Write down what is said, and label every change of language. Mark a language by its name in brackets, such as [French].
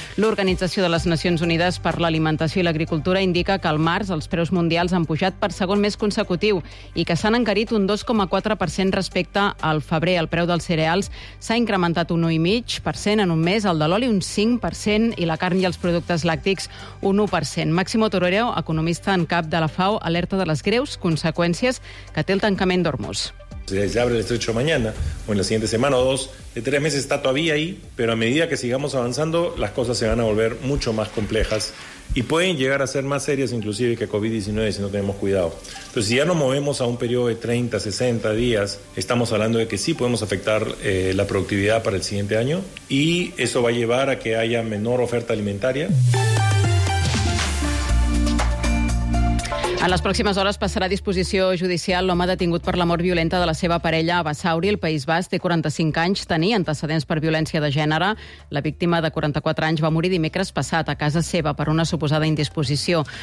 [Catalan] L'Organització de les Nacions Unides per l'Alimentació i l'Agricultura indica que al març els preus mundials han pujat per segon mes consecutiu i que s'han encarit un 2,4% respecte al febrer. El preu dels cereals s'ha incrementat un 1,5% en un mes, el de l'oli un 5% i la carn i els productes làctics un 1%. Máximo Torero, economista en cap de la FAO, alerta de les greus conseqüències que té el tancament d'Hormuz. [Spanish] Se abre el estrecho mañana, o en la siguiente semana o dos, de tres meses está todavía ahí, pero a medida que sigamos avanzando, las cosas se van a volver mucho más complejas y pueden llegar a ser más serias inclusive que COVID-19 si no tenemos cuidado. Entonces, si ya nos movemos a un periodo de 30, 60 días, estamos hablando de que sí podemos afectar la productividad para el siguiente año y eso va a llevar a que haya menor oferta alimentaria. [Catalan] En les pròximes hores passarà a disposició judicial l'home detingut per la mort violenta de la seva parella a Basauri, el País Basc. Té 45 anys, tenia antecedents per violència de gènere. La víctima, de 44 anys, va morir dimecres passat a casa seva per una suposada indisposició.